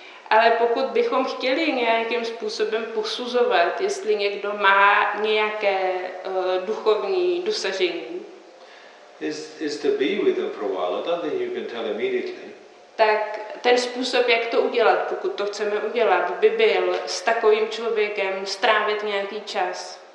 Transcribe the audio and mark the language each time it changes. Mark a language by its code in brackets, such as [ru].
[cs] Ale pokud bychom chtěli nějakým způsobem posuzovat, jestli někdo má nějaké duchovní dosažení. [en] Is to be with them for a while, and then you can tell immediately. [cs] Tak ten způsob, jak to udělat, pokud to chceme udělat, by byl s takovým člověkem strávit nějaký čas.